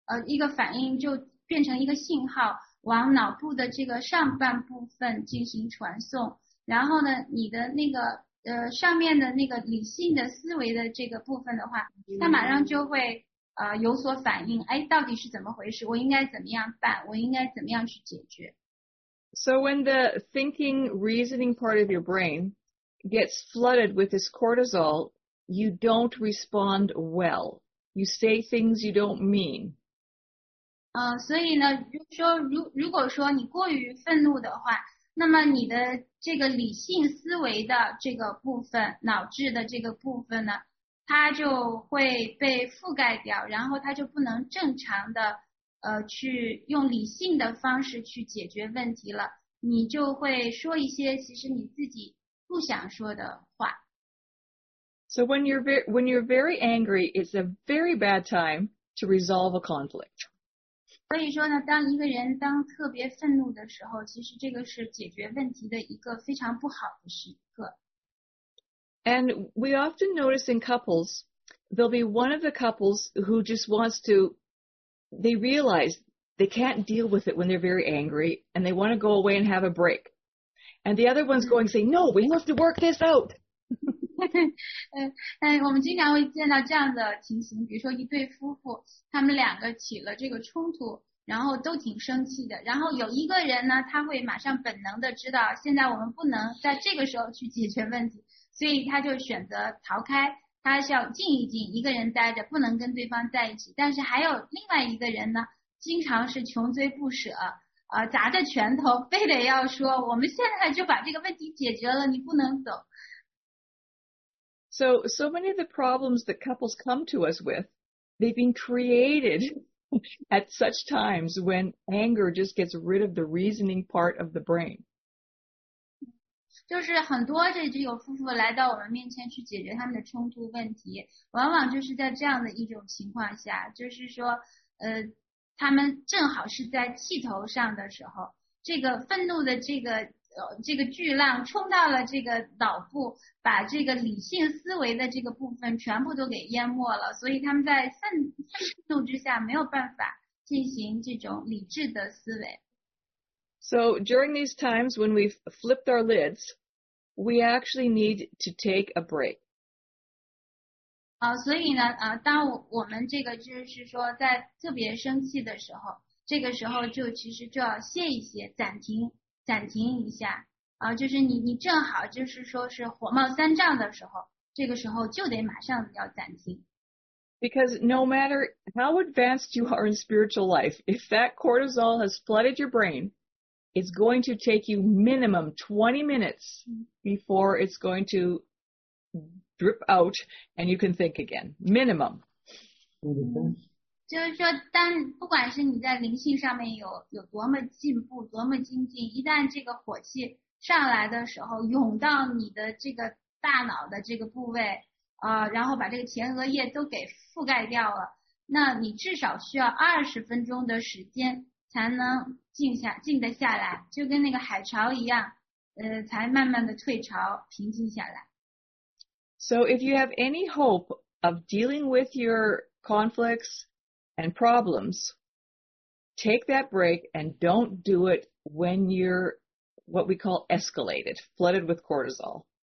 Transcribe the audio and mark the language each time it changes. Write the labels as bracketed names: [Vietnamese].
[Chinese] 一个反应就变成一个信号往脑部的这个上半部分进行传送，然后呢你的那个上面的那个理性的思维的这个部分的话，它马上就会有所反应，哎，到底是怎么回事，我应该怎么样办，我应该怎么样去解决。 [English] So when the thinking reasoning part of your brain gets flooded with this cortisol, you don't respond well. You say things you don't mean. [Chinese] 所以呢就说如果说你过于愤怒的话，那么你的这个理性思维的这个部分，脑质的这个部分呢，它就会被覆盖掉，然后它就不能正常的去用理性的方式去解决问题了，你就会说一些其实你自己不想说的话。 [English] So when you're very angry, it's a very bad time to resolve a conflict. [Chinese] 所以说呢，当一个人当特别愤怒的时候，其实这个是解决问题的一个非常不好的时刻。 [English] And we often notice in couples, there'll be one of the couples who just wants to, they realize they can't deal with it when they're very angry, and they want to go away and have a break. And the other one's going saying, no, we have to work this out. [Chinese] 我们经常会见到这样的情形，比如说一对夫妇，他们两个起了这个冲突，然后都挺生气的，然后有一个人呢，他会马上本能的知道，现在我们不能在这个时候去解决问题。所以他就选择逃开，他想静一静，一个人待着，不能跟对方在一起。但是还有另外一个人呢，经常是穷追不舍，砸着拳头，非得要说，我们现在就把这个问题解决了，你不能走。 [English] So many of the problems that couples come to us with, they've been created at such times when anger just gets rid of the reasoning part of the brain. [Chinese] 就是很多这只有夫妇来到我们面前去解决他们的冲突问题，往往就是在这样的一种情况下，就是说他们正好是在气头上的时候，这个愤怒的这个巨浪冲到了这个脑部，把这个理性思维的这个部分全部都给淹没了，所以他们在愤怒之下没有办法进行这种理智的思维。 [English] So during these times when we've flipped our lids, we actually need to take a break. [Chinese] 所以呢，当我们这个就是说在特别生气的时候，这个时候就其实就要歇一歇，暂停，暂停一下。啊，就是你正好就是说是火冒三丈的时候，这个时候就得马上要暂停。 [English] Because no matter how advanced you are in spiritual life, if that cortisol has flooded your brain, it's going to take you minimum 20 minutes before it's going to drip out and you can think again. Minimum. [Chinese] 就是说当不管是你在灵性上面有多么进步多么精进，一旦这个火气上来的时候涌到你的这个大脑的这个部位然后把这个前额叶都给覆盖掉了，那你至少需要20分钟的时间才能静得下来，就跟那个海潮一样，才慢慢的退潮平静下来。 [English] So if you have any hope of dealing with your conflicts and problems, take that break and don't do it when you're what we call escalated, flooded with cortisol.